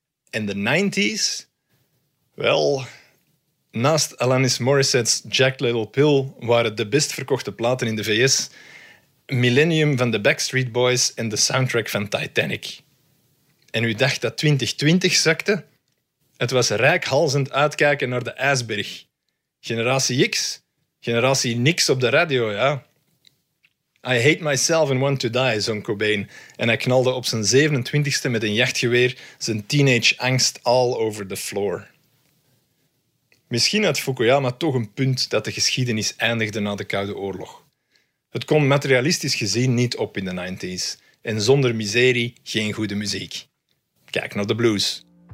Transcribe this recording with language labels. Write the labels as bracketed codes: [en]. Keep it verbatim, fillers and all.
[nl] En de negentiger jaren? Wel, naast Alanis Morissette's Jagged Little Pill waren de best verkochte platen in de V S Millennium van de Backstreet Boys en de soundtrack van Titanic. En u dacht dat twintig twintig zakte? Het was reikhalzend uitkijken naar de ijsberg. Generatie X? Generatie niks op de radio, ja. [en] I hate myself and want to die, [nl] zong [en] Cobain. [nl] En hij knalde op zijn zevenentwintigste met een jachtgeweer zijn [en] teenage angst all over the floor. [nl] Misschien had Fukuyama toch een punt dat de geschiedenis eindigde na de Koude Oorlog. Het kon materialistisch gezien niet op in de negentiger jaren. En zonder miserie geen goede muziek. Kijk naar de blues.